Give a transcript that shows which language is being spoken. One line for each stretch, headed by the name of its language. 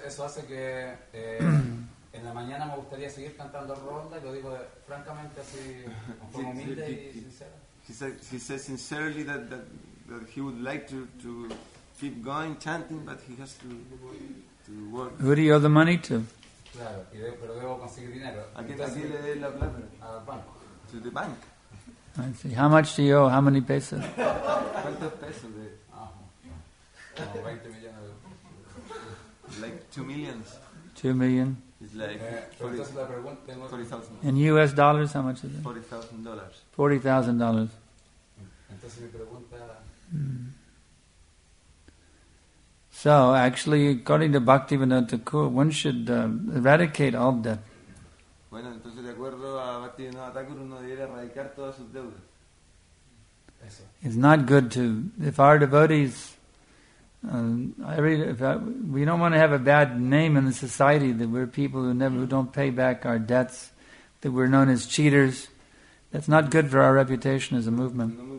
Spanish: Eso hace que en la mañana me gustaría seguir cantando ronda, y lo digo francamente así, como humilde y sincero.
English: He says sincerely that he would like to keep going chanting, but he has to work. Who do you owe the money to?
Spanish: Claro, pero debo conseguir dinero. Aquí le doy la plata. Al banco.
English: To the bank. I see. How much do you owe? How many pesos?
Spanish: ¿Cuántos pesos de? Como 20 millones.
English: Like 2 million. 2 million. It's like 40,000. In US dollars, how much is it? $40,000. $40,000.
Spanish: Entonces mi pregunta.
English: So, actually, according to Bhaktivinoda Thakur, one should eradicate all debt.
Spanish: Bueno, entonces, de acuerdo a Bhaktivinoda Thakur, uno debería erradicar todas sus deudas.
English: It's not good to, if our devotees, we don't want to have a bad name in the society that we're people who don't pay back our debts, that we're known as cheaters. That's not good for our reputation as a movement.